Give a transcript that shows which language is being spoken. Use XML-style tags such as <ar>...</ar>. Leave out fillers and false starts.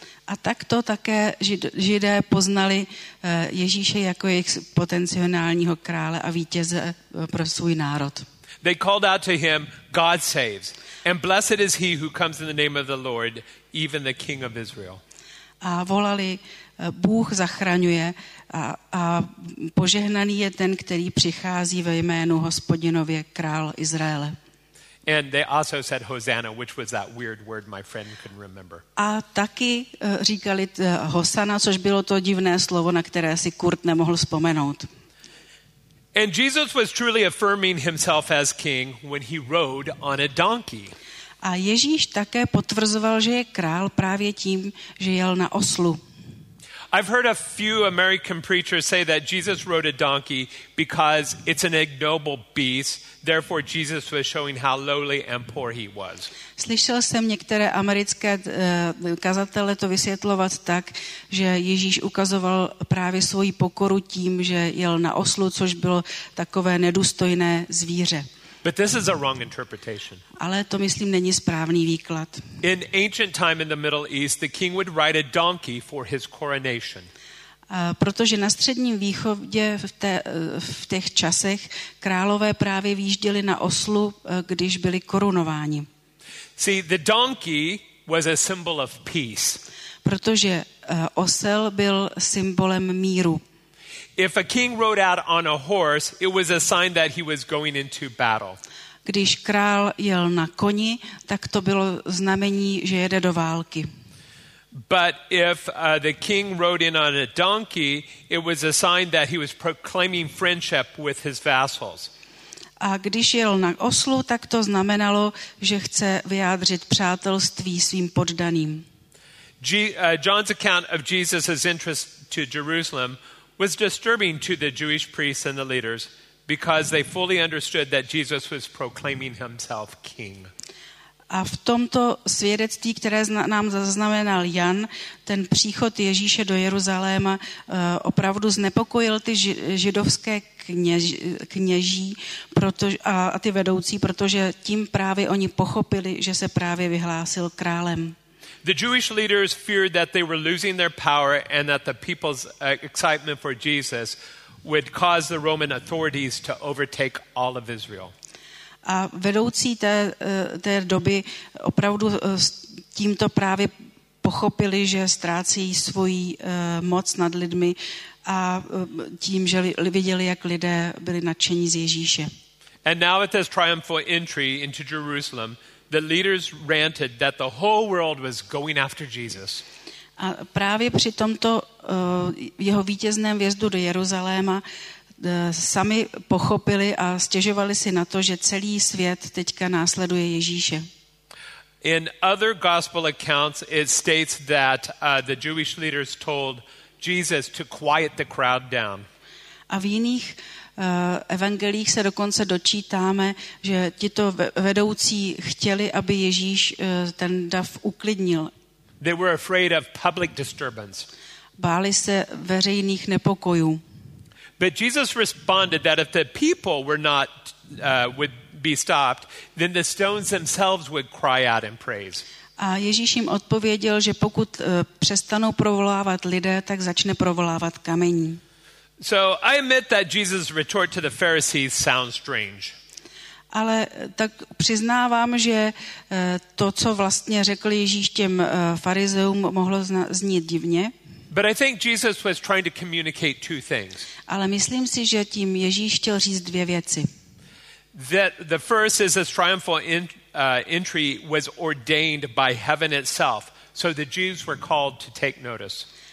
<cs>A tak to také Židé poznali Ježíše jako jejich potenciálního krále a vítěze pro svůj národ.</cs> <en>They called out to him, God saves, and blessed is he who comes in the name of the Lord, even the King of Israel.</en> <cs>A volali, Bůh zachraňuje a požehnaný je ten, který přichází ve jménu Hospodinově, král Izraele.</cs> <en>And they also said Hosanna, which was that weird word my friend couldn't remember.</en> <cs>A taky říkali Hosanna, což bylo to divné slovo, na které si Kurt nemohl vzpomenout.</cs> <en>And Jesus was truly affirming himself as king when he rode on a donkey.</en> <cs>A Ježíš také potvrzoval, že je král právě tím, že jel na oslu.</cs> <en>I've heard a few American preachers say that Jesus rode a donkey because it's an ignoble beast, therefore Jesus was showing how lowly and poor he was.</en> <cs>Slyšel jsem některé americké kazatele to vysvětlovat tak, že Ježíš ukazoval právě svoji pokoru tím, že jel na oslu, což bylo takové nedůstojné zvíře.</cs> <en>But this is a wrong interpretation.</en> <cs>Ale to myslím není správný výklad.</cs> <en>In ancient time in the Middle East, the king would ride a donkey for his coronation.</en> <cs>Protože na středním východě v těch časech králové právě vyjížděli na oslu, když byli korunováni.</cs> <en>See, the donkey was a symbol of peace.</en> <cs>Protože osel byl symbolem míru.</cs> <en>If a king rode out on a horse, it was a sign that he was going into battle.</en> <cs>Když král jel na koni, tak to bylo znamení, že jede do války.</cs> <en>But if the king rode in on a donkey, it was a sign that he was proclaiming friendship with his vassals.</en> <cs>A když jel na oslu, tak to znamenalo, že chce vyjádřit přátelství svým poddaným.</cs> <en>John's account of Jesus's entrance to Jerusalem was disturbing to the Jewish priests and the leaders because they fully understood that Jesus was proclaiming himself king.</en> <cs>A v tomto svědectví, které nám zaznamenal Jan, ten příchod Ježíše do Jeruzaléma opravdu znepokojil ty židovské kněží a ty vedoucí, protože tím právě oni pochopili, že se právě vyhlásil králem.</cs> <en>The Jewish leaders feared that they were losing their power and that the people's excitement for Jesus would cause the Roman authorities to overtake all of Israel.</en> <cs>A vedoucí té doby opravdu tímto právě pochopili, že ztrácí svoji moc nad lidmi a tím, že viděli, jak lidé byli nadšení z Ježíše.</cs> <en>And now at this triumphal entry into Jerusalem, the leaders ranted that the whole world was going after Jesus.</en> <cs>A právě při tomto jeho vítězném vjezdu do Jeruzaléma sami pochopili a stěžovali si na to, že celý svět teďka následuje Ježíše.</cs> <en>In other gospel accounts it states that the Jewish leaders told Jesus to quiet the crowd down.</en> <cs>A v jiných evangelích se dokonce dočítáme, že tito vedoucí chtěli, aby Ježíš ten dav uklidnil.</cs> <en>They were afraid of public disturbance.</en> <cs>Báli se veřejných nepokojů.</cs> <en>But Jesus responded that if the people were not would be stopped, then the stones themselves would cry out in praise.</en> <cs>A Ježíš jim odpověděl, že pokud přestanou provolávat lidé, tak začne provolávat kamení.</cs> <en>So I admit that Jesus' retort to the Pharisees sounds strange.</en> <cs>Ale tak přiznávám, že to, co vlastně řekl Ježíš těm farizeům, mohlo znít divně.</cs> <en>But I think Jesus was trying to communicate two things.</en> <cs>Ale myslím si, že tím Ježíš chtěl říct dvě věci.</cs> <en>That the first is this triumphal entry was ordained by heaven itself, so the Jews were called to take notice.</en>